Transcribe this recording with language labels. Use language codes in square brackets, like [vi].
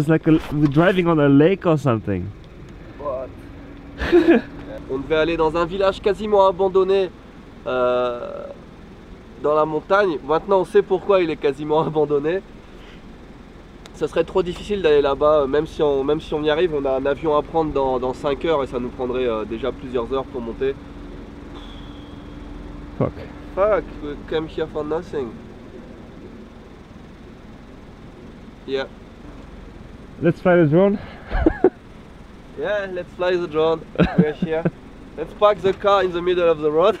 [en] It's like we're driving on a lake or something. What? [fr] On devait aller dans un village quasiment abandonné dans la montagne. Maintenant, on sait pourquoi il est quasiment abandonné. Ça serait trop difficile d'aller là-bas, même si on y arrive. On a un avion à prendre dans 5 heures et ça nous prendrait déjà plusieurs heures pour monter. [en] Fuck. Fuck, we came here for nothing. Yeah. Let's fly the drone. Yeah, let's fly the drone. We are here. Let's park the car in the middle of the road.